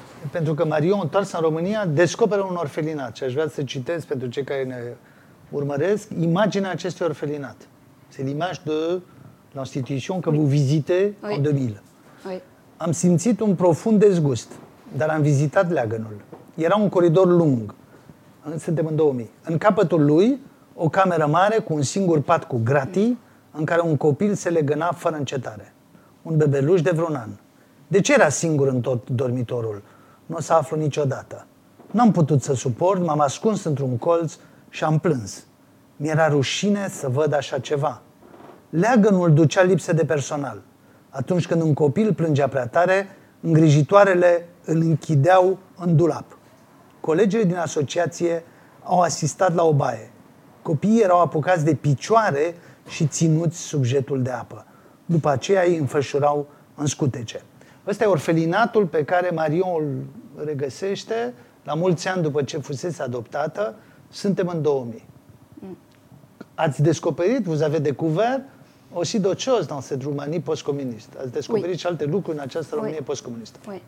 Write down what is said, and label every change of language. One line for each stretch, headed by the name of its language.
Romanian: Pentru că Marion, întoarsă în România, descoperă un orfelinat. Și aș vrea să citez pentru cei care ne urmăresc imaginea acestui orfelinat.
French: C'est l'image de l'institution que vous visitez en 2000. Oui.
Romanian: Am simțit un profund dezgust, dar am vizitat leagănul. Era un coridor lung. Suntem în 2000. În capătul lui, o cameră mare cu un singur pat cu gratii, în care un copil se legăna fără încetare. Un bebeluș de vreun an. De ce era singur în tot dormitorul? Nu o să aflu niciodată. N-am putut să suport, m-am ascuns într-un colț și am plâns. Mi-era rușine să văd așa ceva. Leagănul ducea lipsă de personal. Atunci când un copil plângea prea tare, îngrijitoarele îl închideau în dulap. Colegii din asociație au asistat la o baie. Copiii erau apucați de picioare și ținuți sub jetul de apă. După aceea îi înfășurau în scutece. Ăsta e orfelinatul pe care Marion îl regăsește la mulți ani după ce fusese adoptată. Suntem în 2000. Ați descoperit,
French: vous avez découvert, aussi d'autres choses dans cette Roumanie post-communiste.
Romanian: Ați descoperit și alte lucruri în această Românie post-communistă.